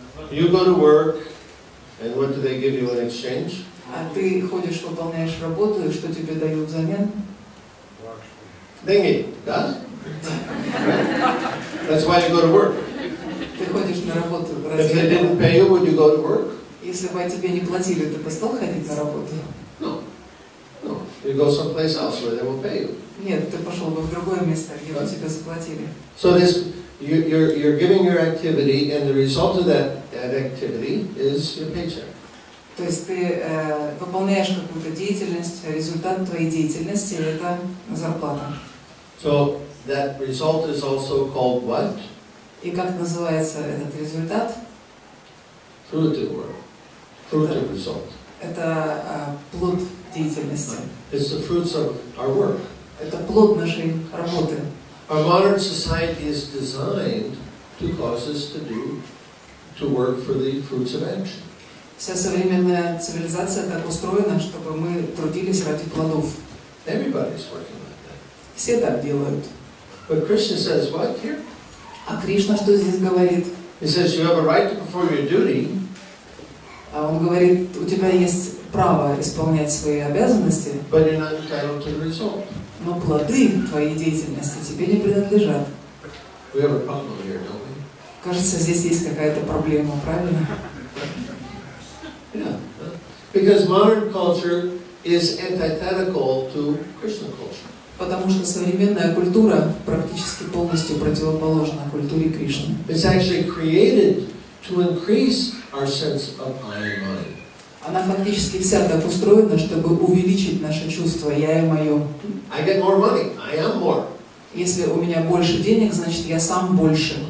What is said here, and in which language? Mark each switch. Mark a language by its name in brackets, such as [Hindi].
[English] You go to work, and what do they give you in exchange? [Russian] А ты ходишь, выполняешь работу, и что тебе дают взамен? Деньги, да? [English] That's why you go to work. [Russian] Ты ходишь на работу, разве? [English] If they didn't pay you, would you go to work? [Russian] Если бы тебе не платили, ты бы стал ходить на работу? [English] No. You go someplace else where they will pay you. [Russian] Нет, ты пошел бы в другое место, где бы тебе заплатили. [English] So this, you're giving your activity, and the result of that activity is your paycheck. [Russian] То есть ты выполняешь какую-то деятельность, а результат твоей деятельности – это зарплата. [English] So that result is also called what? [Russian] И как называется этот результат? [English] Fruitive work. Fruitive result. [Russian] Это плод деятельности. [English] It's the fruits of our work. [Russian] Это плод нашей работы. [English] Our modern society is designed to cause us to work for the fruits of action. [Russian] Вся современная цивилизация так устроена, чтобы мы трудились ради плодов. [English] Everybody's working like that. [Russian] Все так делают. [English] But Krishna says what here? [Russian] А Кришна что здесь говорит? [English] He says, you have a right to perform your duty. [Russian] Он говорит, у тебя есть право исполнять свои обязанности. [English] But you're not entitled to the result. [Russian] Но плоды твоей деятельности тебе не принадлежат. [English] We have a problem here, don't we? [Russian] Кажется, здесь есть какая-то проблема, правильно? [English] Yeah. Because modern culture is antithetical to Christian culture. [Russian] Потому что современная культура практически полностью противоположна культуре Кришны. [English] It's actually created to increase our sense of I and mine. [Russian] Она фактически вся так устроена, чтобы увеличить наше чувство «я и мое». [English] I get more money. I am more. [Russian] Если у меня больше денег, значит, я сам больше.